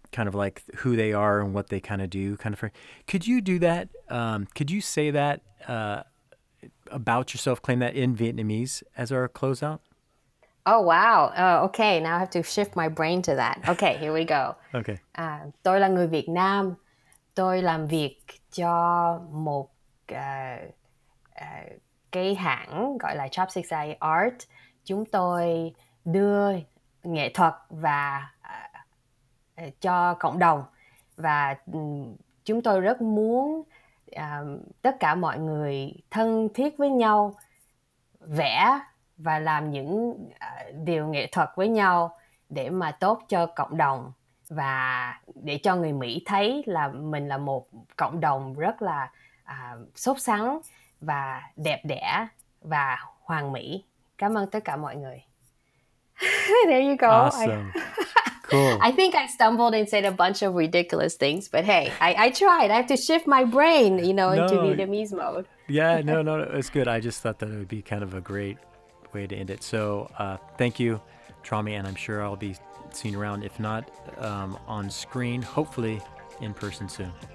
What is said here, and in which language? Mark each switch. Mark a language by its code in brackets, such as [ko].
[en] Kind of like who they are and what they kind of do, kind of for, could you do that? Could you say that about yourself, claim that in Vietnamese as our closeout? Oh, wow. Okay. Now I have to shift my brain to that. Okay. Here we go. Okay. [vi] Tôi là người Việt Nam. Tôi làm việc cho một cái hãng gọi là Chopsticks Alley Art. Chúng tôi đưa nghệ thuật và cho cộng đồng, và chúng tôi rất muốn tất cả mọi người thân thiết với nhau, vẽ và làm những điều nghệ thuật với nhau để mà tốt cho cộng đồng và để cho người Mỹ thấy là mình là một cộng đồng rất là sốt sắng và đẹp đẽ và hoàn mỹ. Cảm ơn tất cả mọi người. [en] There you go. Awesome. Cool. I think I stumbled and said a bunch of ridiculous things, but hey, I tried. I have to shift my brain, you know, into Vietnamese mode. Yeah, no, it's good. I just thought that it would be kind of a great way to end it. So thank you, Trami, and I'm sure I'll be seen around, if not on screen, hopefully in person soon.